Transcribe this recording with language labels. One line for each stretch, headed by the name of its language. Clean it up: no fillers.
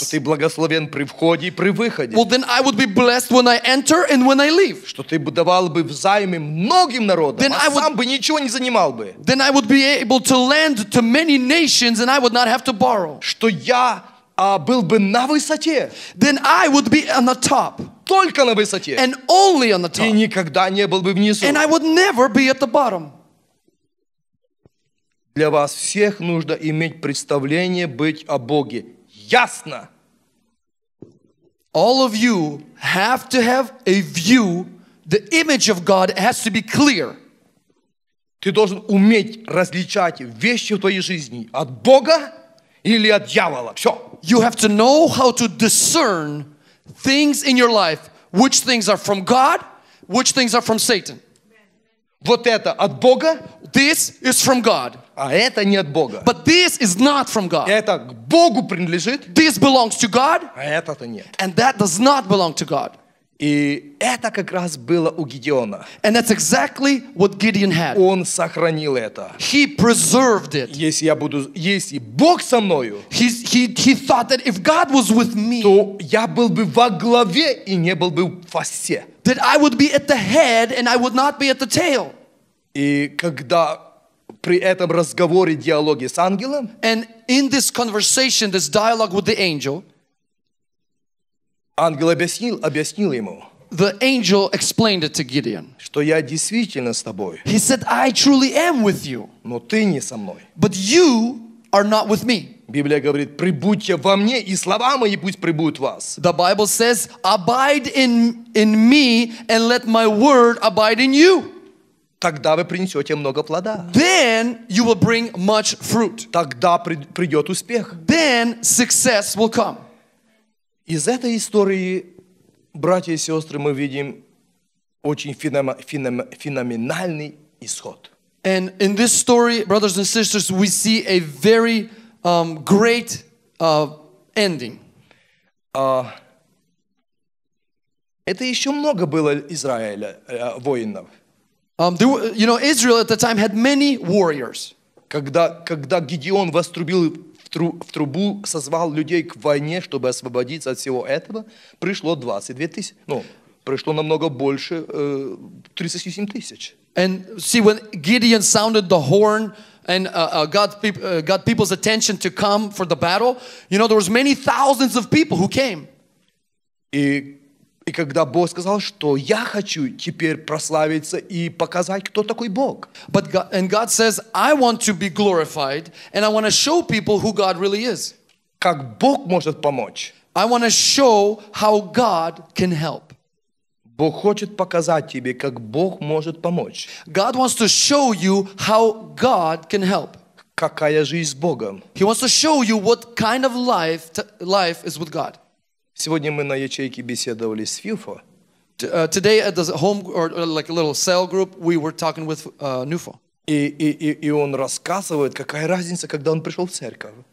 Russian: То ты благословен при входе и при выходе.
English: Well, then I would be blessed when I enter and when I leave.
Russian: Что ты бы давал бы взаймы многим народам,
English: then а I would,
Russian: сам бы ничего не занимал бы.
English: Then I would be able to lend to many nations and I would not have to borrow.
Russian: Что я был бы на высоте.
English: Then I would be on the top.
Russian: Только на высоте.
English: And only on the top.
Russian: И никогда не был бы внизу.
English: And I would never be at the bottom.
Russian: Для вас всех нужно иметь представление быть о Боге. Ясно.
English: All of you have to have a view. The image of God has to be clear.
Russian: Ты должен уметь различать вещи в твоей жизни от Бога или от дьявола. Все.
English: You have to know how to discern things in your life, which things are from God, which things are from Satan.
Russian: Вот это от Бога.
English: This is from God.
Russian: А это не от Бога.
English: But this is not from God.
Russian: Это к Богу принадлежит.
English: This belongs to God.
Russian: А это-то нет.
English: And that does not belong to God.
Russian: И это как раз было у Гедеона.
English: And that's exactly what Gideon had.
Russian: Он сохранил это.
English: He preserved it.
Russian: Если я буду, если Бог со мною,
English: he thought that if God was with me,
Russian: то я был бы во главе и не был бы в хвосте.
English: That I would be at the head and I would not be at the tail.
Russian: И когда при этом разговоре, диалоге с ангелом,
English: and in this conversation, this dialogue with the angel,
Russian: ангел объяснил ему,
English: the angel explained it to Gideon,
Russian: что я действительно с тобой.
English: He said, I truly am with you.
Russian: Но ты не со мной.
English: But you are not with me.
Russian: Библия говорит, прибудьте во мне, и слова мои пусть прибудут в вас.
English: The Bible says, abide in me, and let my word abide in you.
Russian: Тогда вы принесете много плода.
English: Then you will bring much fruit.
Russian: Тогда придет успех.
English: Then success will come.
Russian: Из этой истории, братья и сестры, мы видим очень феноменальный исход.
English: And in this story, brothers and sisters, we see a very great ending.
Russian: Это еще много было Израиля воинов.
English: You know, Israel at the time had many warriors.
Russian: Когда Гедеон вострубил в трубу, созвал людей к войне, чтобы освободиться от всего этого, пришло 22 тысячи. Ну, пришло намного больше, 37 тысяч.
English: And see, when Gideon sounded the horn and got people's attention to come for the battle, you know, there was many thousands of people who came.
Russian: И когда Бог сказал, что я хочу теперь прославиться и показать, кто такой Бог.
English: But God, and God says, I want to be glorified and I want to show people who God really is.
Russian: Как Бог может помочь?
English: I want to show how God can help.
Russian: Бог хочет показать тебе, как Бог может помочь.
English: God wants to show you how God can help.
Russian: Какая жизнь с Богом?
English: He wants to show you what kind of life is with God.
Russian: Сегодня мы на ячейке беседовали с Фьюфо.
English: Today at the home or like a little cell group, we were talking with Nufo.
Russian: И он рассказывает, какая разница, когда он пришел в церковь.